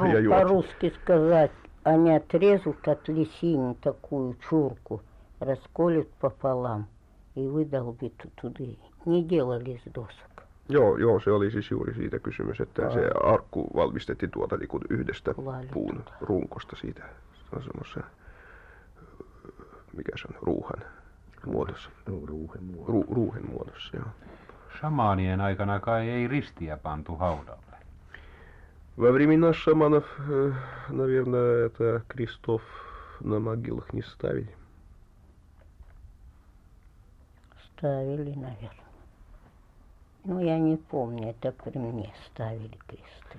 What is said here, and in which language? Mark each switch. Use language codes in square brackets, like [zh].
[ru] По-русски сказать, они отрезут от лисини такую чурку, расколют пополам и выдолбят туда. Не делали из досок. [fi] Joo, se oli siis juuri siitä kysymys, että se arkku valmistettiin tuota niin kuin yhdestä puun runkosta siitä. Se on semmoisessa, mikä se on, ruuhen muodossa. Ruuhen muodossa, joo. Shamaanien aikana kai ei ristiä pantu haudalle. [ru] Во времена шаманов, наверное, это крестов на могилах не ставили. Ставили, наверное. Ну, я не помню, это при мне ставили кресты.